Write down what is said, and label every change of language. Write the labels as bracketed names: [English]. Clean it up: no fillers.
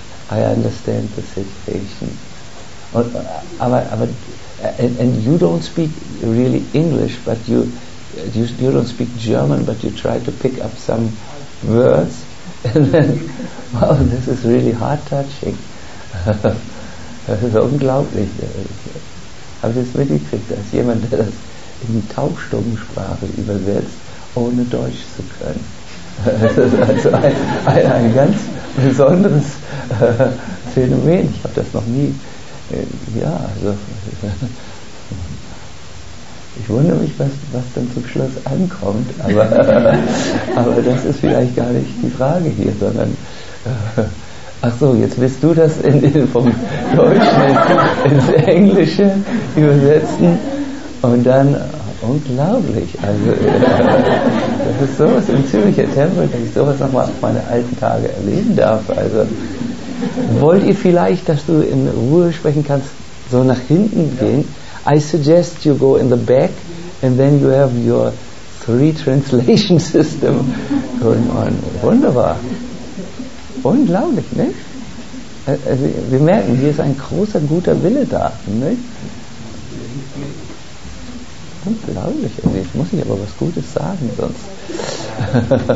[English] I understand the situation. And you don't speak really English, but you don't speak German, but you try to pick up some words, and then, wow, this is really heart-touching. [German] Das ist unglaublich. Habe ich das mitgekriegt, als jemand, der das in Taubstummensprache übersetzt, ohne Deutsch zu können. Das ist also ein ganz besonderes Phänomen. Ich habe das noch nie. Ja, also ich wundere mich, was dann zum Schluss ankommt, aber das ist vielleicht gar nicht die Frage hier, sondern Ach so, jetzt willst du das vom Deutschen ins Englische übersetzen und dann unglaublich. Also das ist sowas im Zürcher Tempel, dass ich sowas nochmal auf meine alten Tage erleben darf. Also wollt ihr vielleicht, dass du in Ruhe sprechen kannst, so nach hinten gehen? [English] I suggest you go in the back and then you have your three translation system going on. [German] Wunderbar. Unglaublich, nicht? Also, wir merken, hier ist ein großer, guter Wille da, nicht? Unglaublich, irgendwie. Jetzt muss ich aber was Gutes sagen, sonst.